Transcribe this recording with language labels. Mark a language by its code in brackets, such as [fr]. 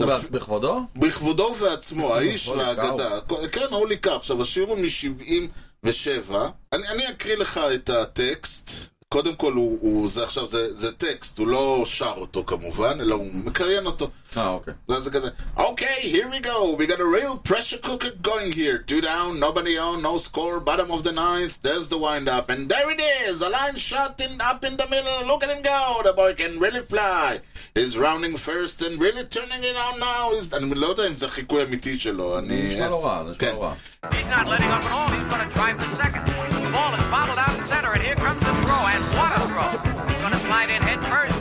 [he] בכבודו? בכבודו ועצמו, האיש והאגדה. כן, הולי קאר. עכשיו, השיר הוא מ-77. אני אקריא לך את הטקסט. קודם כל, זה עכשיו, זה טקסט. הוא לא שר אותו כמובן, אלא הוא מקריין אותו. אוקיי. זה כזה. [en] אוקיי, here we go. We got a real pressure cooker going here. Two down, nobody on, no score. Bottom of the ninth, there's the wind up. And there it is. A line shot up in the middle. Look at him go. The boy can really fly. He's rounding first and really turning it on now. [he] אני לא יודע אם זה חיקוי אמיתי שלו. זה שמה לא רע, זה שמה לא רע. [en] He's not letting up at all. He's gonna drive the second. The ball is bottled out in center. And here comes the throw. And what a throw. He's gonna slide in head first.